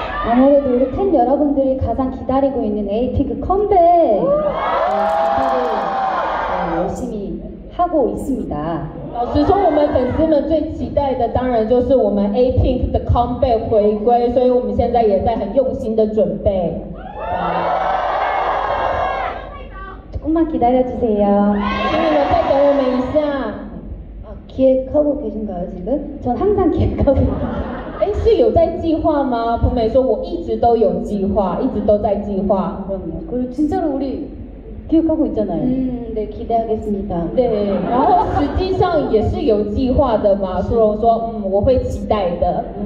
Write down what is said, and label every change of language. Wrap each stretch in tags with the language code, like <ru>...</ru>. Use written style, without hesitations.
<ko>아무래도우리팬여러분들이가장기다리고있는에이핑크컴백열심히하고있습니다</ko> <zh>老实说，我们粉丝们最期待的当然就是我们 A Pink 的 comeback 回归，所以我们现在也在很用心的准备。</zh> <ko>조금만기다려주세요</ko> <zh>请你们再等我们一下。</zh> <ko>기획하고계신가요지금전항상기획하고</ko> <zh>哎，是有在计划吗？普美说，我一直都有计划，一直都在计划。</zh> <ko>그럼요진짜로우리기억하고있잖아요네기대하겠습니다</ko> <zh>네然后实际上也是有计划的嘛苏荣说我会期待的</zh>